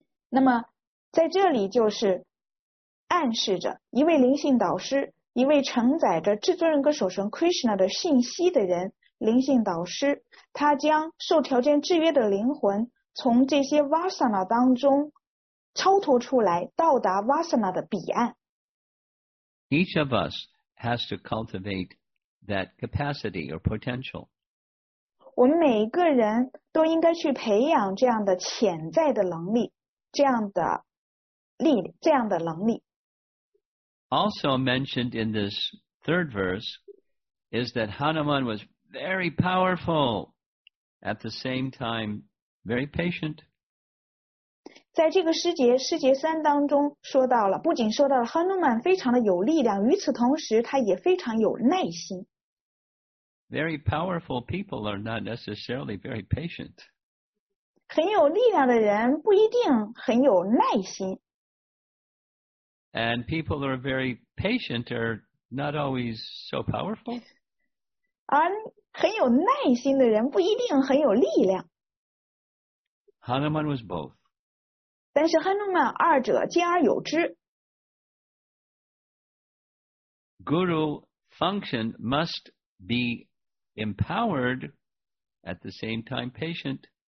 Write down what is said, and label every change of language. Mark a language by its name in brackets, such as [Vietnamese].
[Chinese] 那么在这里就是暗示着一位灵性导师，一位承载着至尊人格首相 Krishna 的信息的人，灵性导师，他将受条件制约的灵魂从这些 vasana 当中超脱出来，到达 Vasana 的彼岸。 [English] Each of us has to cultivate that capacity or potential. [Chinese] 我们每个人都应该去培养这样的潜在的能力，这样的能力。 [English] Also mentioned in this third verse is that Hanuman was very powerful, at the same time very patient. [Chinese] 在这个诗节三当中说到了，不仅说到了 Hanuman 非常的有力量，与此同时他也非常有耐心。 [English] Very powerful people are not necessarily very patient. [Chinese] 很有力量的人不一定很有耐心。 [English] And people who are very patient are not always so powerful. [Chinese] 而很有耐心的人不一定很有力量。 [English] Hanuman was both. [Chinese] 但是汉努曼二者兼而有之。 [English] Guru function must be empowered at the same time patient.